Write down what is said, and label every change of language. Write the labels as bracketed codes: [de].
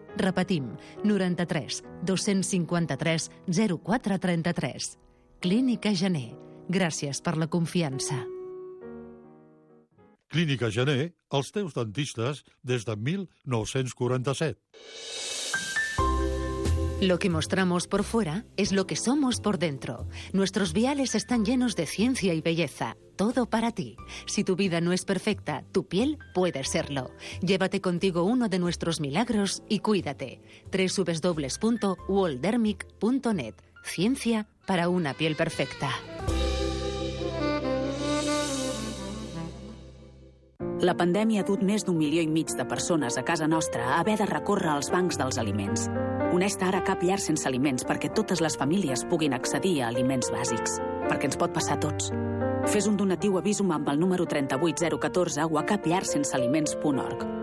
[ca] Repetim, 93 253 0433. Clínica Gené. Gràcies per la confiança. Clínica Gené, els teus dentistes des de 1947. [es] Lo que mostramos por fuera es lo que somos por dentro. Nuestros viales están llenos de ciencia y belleza. Todo para ti. Si tu vida no es perfecta, tu piel puede serlo. Llévate contigo uno de nuestros milagros y cuídate. www.woldermic.net. Ciencia para una piel perfecta. [ca] La pandèmia ha dut més d'un milió i mig de persones a casa nostra a haver de recórrer als bancs dels aliments. Uneix ara cap llar sense aliments perquè totes les famílies puguin accedir a aliments bàsics. Perquè ens pot passar a tots. Fes un donatiu a Bizum amb el número 38014 o a capllarsensealiments.org.